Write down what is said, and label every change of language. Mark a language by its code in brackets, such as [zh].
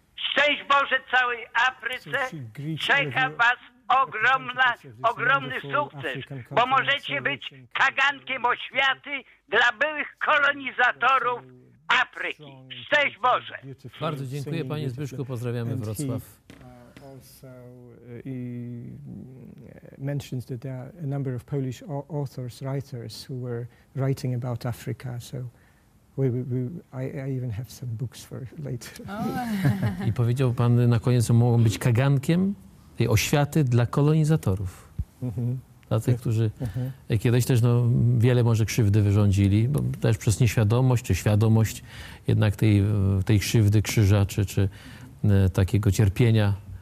[pl] Szczęść Boże całej Afryce. Czeka Was ogromna, ogromny sukces, bo możecie być kagankiem oświaty dla byłych kolonizatorów Afryki. Szczęść Boże. Bardzo dziękuję, Panie Zbyszku. Pozdrawiamy Wrocław. [en] Also, he mentions that there are a number of Polish authors, writers who were writing about Africa. So, I even have some books for later. [pl] I powiedział pan na koniec, że mogą być kagankiem tej oświaty dla kolonizatorów. Dla tych, którzy kiedyś też no, wiele może krzywdy wyrządzili, bo też przez nieświadomość czy świadomość jednak tej krzywdy krzyża czy takiego cierpienia.